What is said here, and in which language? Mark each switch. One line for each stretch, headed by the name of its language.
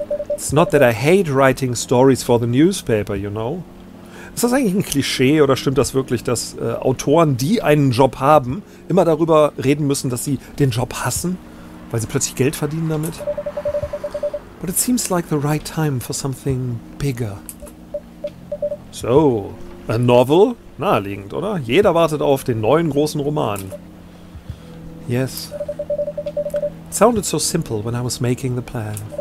English: It's not that I hate writing stories for the newspaper, you know.
German: Ist das eigentlich ein Klischee oder stimmt das wirklich, dass Autoren, die einen Job haben, immer darüber reden müssen, dass sie den Job hassen, weil sie plötzlich Geld verdienen damit?
English: But it seems like the right time for something bigger. So, a novel?
German: Naheliegend, oder? Jeder wartet auf den neuen großen Roman. Yes.
English: It sounded so simple when I was making the plan.